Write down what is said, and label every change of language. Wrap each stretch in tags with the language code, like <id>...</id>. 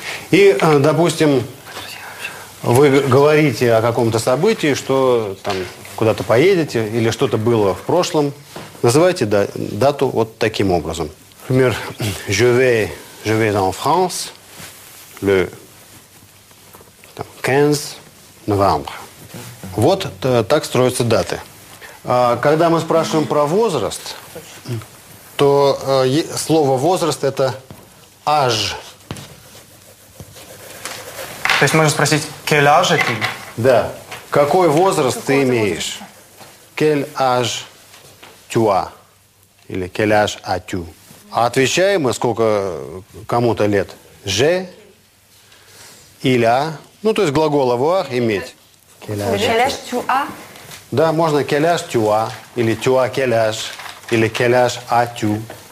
<ru>И, допустим, вы говорите о каком-то событии, что там куда-то поедете или что-то было в прошлом. Называйте дату вот таким образом. Например,</ru> <fr>je vais en France le 15 novembre.</fr> <ru>Вот так строятся даты. Когда мы спрашиваем про возраст, то слово возраст это аж. То есть можно спросить,</ru> <fr>quel âge</fr> <ru>ты? Да. Какой возраст ты имеешь?</ru> <fr>Quel âge tu as?</fr> <ru>Или</ru> <fr>quel âge as-tu?</fr> <ru>А отвечаем мы, сколько кому-то лет?</ru> <fr>Je, il a.</fr> <ru>Ну, то есть глагол avoir иметь.</ru> <fr>Quel âge tu as?</fr> <ru>Да, можно</ru> <fr>quel âge tu as?</fr> <ru>Или</ru> <fr>tu as quel âge?</fr> <ru>Или</ru> <fr>quel âge as-tu?</fr>